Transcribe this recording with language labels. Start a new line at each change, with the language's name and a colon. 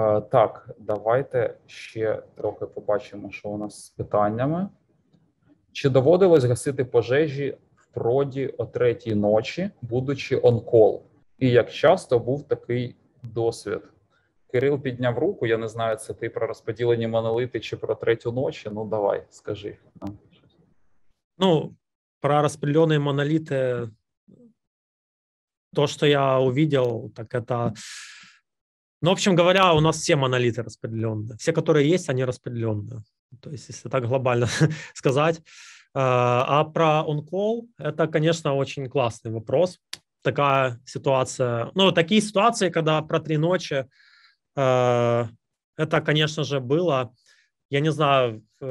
Ukrainian: Так, давайте ще трохи побачимо, що у нас з питаннями. Чи доводилось гасити пожежі в проді о 3-й ночі, будучи он-кол? І як часто був такий досвід? Кирил підняв руку. Я не знаю, це ти про розподілені моноліти чи про 3-ю ночі. Ну, давай, скажи.
Russian: Ну, про распределенные монолиты, то, что я увидел, так это... Ну, в общем говоря, у нас все монолиты распределенные. Все, которые есть, они распределенные. То есть, если так глобально сказать. А про on-call, это, конечно, очень классный вопрос. Такая ситуация... Ну, такие ситуации, когда про 3 ночи, это, конечно же, было. Я не знаю...